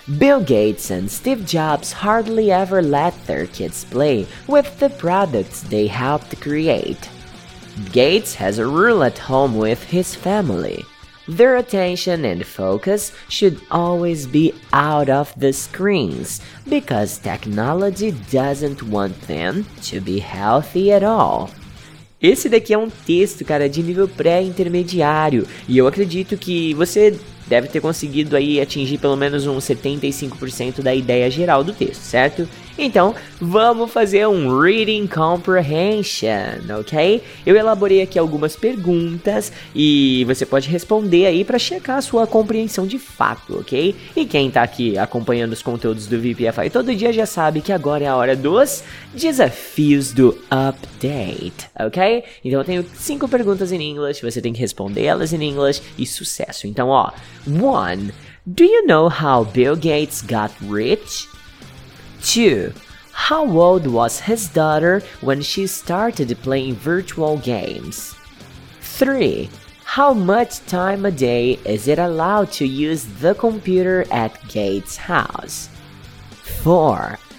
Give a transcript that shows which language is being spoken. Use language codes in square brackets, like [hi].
[en] Bill Gates and Steve Jobs hardly ever let their kids play with the products they helped create. Gates has a rule at home with his family. Their attention and focus should always be out of the screens, because technology doesn't want them to be healthy at all. [pt] Esse daqui é um texto, cara, de nível pré-intermediário, e eu acredito que você deve ter conseguido aí atingir pelo menos um 75% da ideia geral do texto, certo? Então, vamos fazer um Reading Comprehension, ok? Eu elaborei aqui algumas perguntas e você pode responder aí para checar a sua compreensão de fato, ok? E quem tá aqui acompanhando os conteúdos do VPFI todo dia já sabe que agora é a hora dos desafios do update, ok? Então eu tenho 5 perguntas em inglês, você tem que responder elas em inglês e sucesso. Então, ó, 1. [en] Do you know how Bill Gates got rich? 2. How old was his daughter when she started playing virtual games? 3. How much time a day is it allowed to use the computer at Gates' house? 4.